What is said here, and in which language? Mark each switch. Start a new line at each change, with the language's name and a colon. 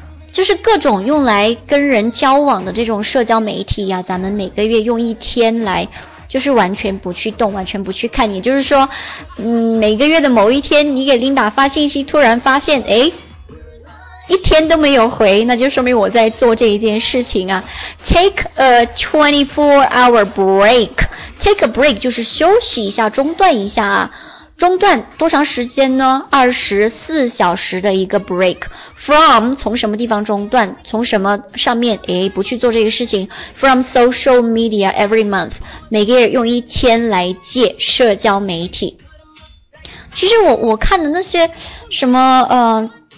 Chinese: 就是各种用来跟人交往的这种社交媒体呀，咱们每个月用一天来，就是完全不去动，完全不去看。也就是说每个月的某一天你给琳达发信息，突然发现一天都没有回，那就说明我在做这一件事情啊。
English: Take a 24-hour break， Take a break
Chinese: 就是休息一下，中断一下啊。中断多长时间呢？ 24小时的一个 break， from 从什么地方中断，从什么上面不去做这个事情。
English: from social media every month，
Chinese: 每个月用一天来戒社交媒体。其实我看的那些什么